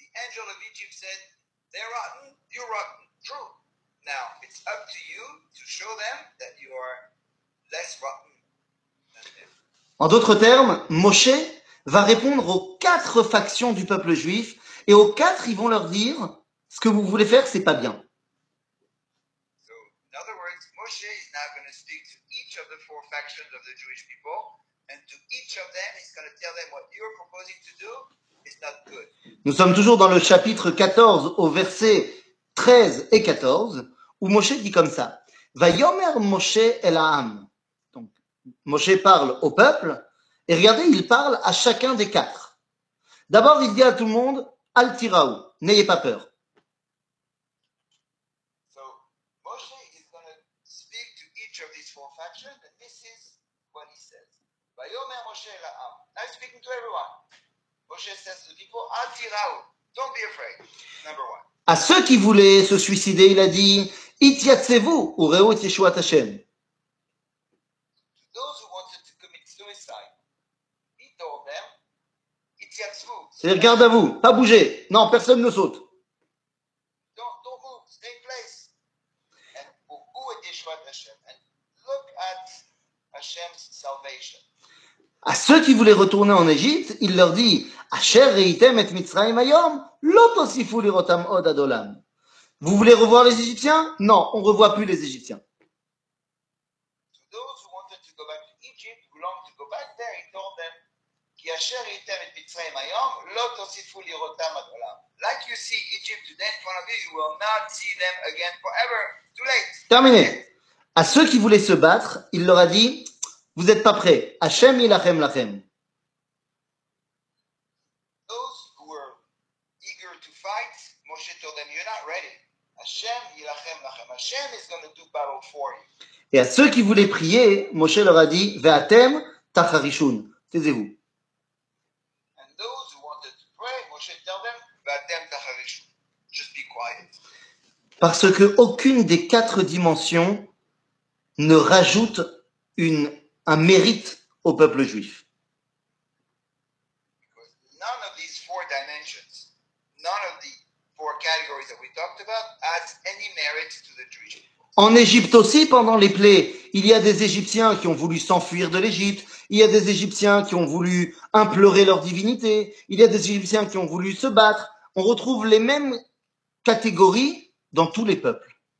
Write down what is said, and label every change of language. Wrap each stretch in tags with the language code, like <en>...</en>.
<en>Angel of Egypt said, they're rotten, you're rotten, true. Now, it's up to you to show them that you are less rotten than them.</en> <fr>En d'autres termes, Moshe va répondre aux quatre factions du peuple juif et aux quatre, ils vont leur dire, ce que vous voulez faire, c'est pas bien.</fr> <en>So, in other words, Moshe is now going to speak to each of the four factions of the Jewish people and to each of them, he's going to tell them what you're proposing to do.</en> <fr>Nous sommes toujours dans le chapitre 14 au verset 13 et 14 où Moshe dit comme ça.</fr> <he>Vayomer Moshe el ha'am.</he> <fr>Donc Moshe parle au peuple et regardez, il parle à chacun des quatre. D'abord, il dit à tout le monde</fr> <he>Al tiraou,</he> <fr>n'ayez pas peur.</fr> <en>So Moshe is going to speak to each of these four factions and this is what he says.</en> <he>Vayomer Moshe el ha'am.</he> <en>Now he's speaking to everyone. Moshe says to the people,</en> <he>Al tiraou,</he> <en>don't be afraid. Number one.</en> <fr>À ceux qui voulaient se suicider, il a dit,</fr> <he>Ityatsevu, ou Reo Yeshua Tachem.</he> <en>To those who wanted to commit suicide, he told them, Ityatsevu.</en> <fr>C'est-à-dire, garde à vous, pas bouger. Non, personne ne saute.</fr> <en>Don't move, stay in place. And pour où est Yeshua Tachem? And look at Hashem's salvation.</en> <fr>À ceux qui voulaient retourner en Égypte, il leur dit</fr> <he>Asher reitem et Mitzrayim ayom, lo tosifu lirotam od ad olam.</he> <fr>Vous voulez revoir les Égyptiens? Non, on ne revoit plus les Égyptiens.</fr> <en>To those who wanted to go back to Egypt, who longed to go back there, he told them</en> <he>Ki Asher reitem et Mitzrayim ayom, lo tosifu lirotam ad olam.</he> <en>Like you see Egypt today in front of you, you will not see them again forever. Too late.</en> <fr>Terminé. À ceux qui voulaient se battre, il leur a dit vous n'êtes pas prêts.</fr> <he>Hashem ilachem lachem.</he> <en>Those who were eager to fight, Moshe told them, you're not ready.</en> <he>Hashem ilachem lachem.</he> <en>Hashem is going to do battle for you.</en> <fr>Et à ceux qui voulaient prier, Moshe leur a dit,</fr> <he>ve'atem tacharishun.</he> <fr>Taisez-vous.</fr> <en>And those who wanted to pray, Moshe told them,</en> <he>ve'atem tacharishun.</he> <en>Just be quiet.</en> <fr>Parce que aucune des quatre dimensions ne rajoute un mérite au peuple juif.</fr> <en>Because none of these four dimensions, none of the four categories that we talked about, adds any merit to the Jewish people.</en> <fr>En Égypte aussi, pendant les plaies, il y a des Égyptiens qui ont voulu s'enfuir de l'Égypte, il y a des Égyptiens qui ont voulu implorer leur divinité, il y a des Égyptiens qui ont voulu se battre. On retrouve les mêmes catégories dans tous les peuples.</fr>